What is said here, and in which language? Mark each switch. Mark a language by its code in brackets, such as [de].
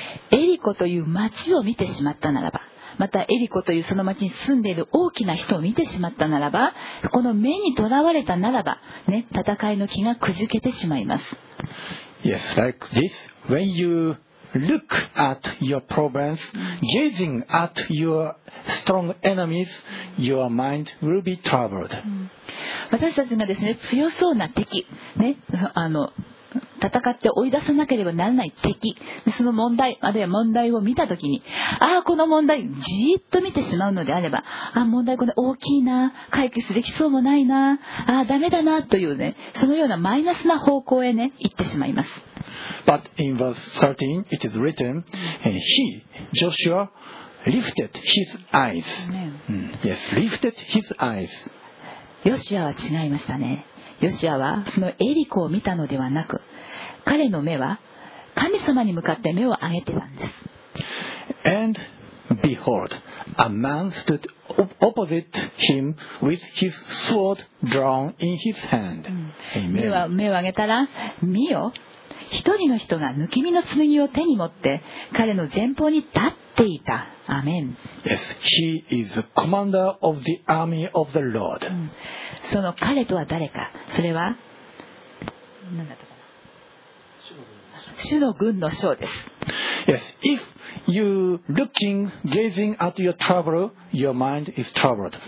[ja] エリコという町を見てしまったならば、またエリコというその町に住んでいる大きな人を見てしまったならば、この目にとらわれたならば、ね、戦いの気がくじけてしまいます。 [en] Yes, like this. When you look at your problems, gazing at your strong enemies, your mind will be troubled. [ja] 私たちがですね、強そうな敵、ね、戦って追い出さなければならない敵、その問題、あるいは問題を見たときに、ああこの問題じーっと見てしまうのであれば、あ問題これ大きいな、解決できそうもないな、あダメだなというね、そのようなマイナスな方向へね行ってしまいます。 [en] But in verse 13 it is written he, Joshua lifted his eyes. Yes, lifted his eyes. [ja] ヨシュアは違いましたね。ヨシュアはそのエリコを見たのではなく、彼の目は神様に向かって目を上げてたんです。 [en] And behold, a man stood opposite him with his sword drawn in his hand. [ja] 目を上げたら、見よ、一人の人が抜き身の剣を手に持って彼の前方に立っていた。アメン。 [en] Yes, he is the commander of the army of the Lord. [ja] その彼とは誰か。それは何だったかな。主の軍の将です。 [en] Yes, if you looking gazing at your trouble, your mind is troubled.